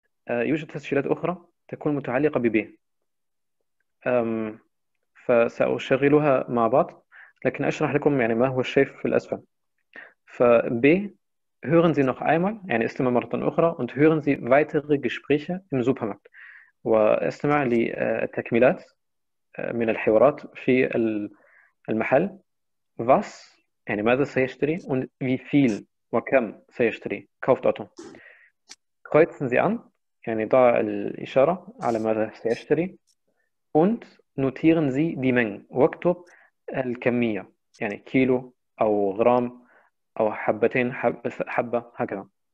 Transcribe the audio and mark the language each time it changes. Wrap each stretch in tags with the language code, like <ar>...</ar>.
<ar>يوجد تسجيلات أخرى تكون متعلقة ب فسأشغلها مع بعض لكن أشرح لكم يعني ما هو الشيء في الأسفل. ف ب hören Sie noch einmal يعني استمع مرة أخرى und hören Sie weitere Gespräche im Supermarkt واستمع للتكملات من الحوارات في المحل.</ar> <de>was يعني ماذا سيشتري und wie viel وكم سيشتري kauft auto.</de> <ar>kreuzen Sie an يعني ضع الإشارة على ماذا سيشتري und notieren Sie die Menge واكتب الكمية يعني كيلو أو غرام أو حبتين حبة هكذا.</ar>